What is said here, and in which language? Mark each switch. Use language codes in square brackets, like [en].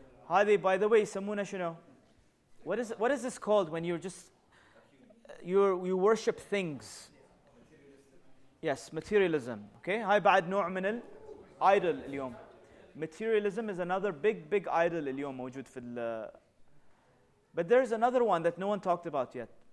[en] هذه by the way [ar] يسمونه شنو؟ [en] What is this called when you're just you worship things? Yes, materialism. Okay. [ar] هاي بعد نوع من ال idol اليوم. [en] Materialism is another big idol [ar] اليوم موجود في ال [en] But there is another one that no one talked about yet.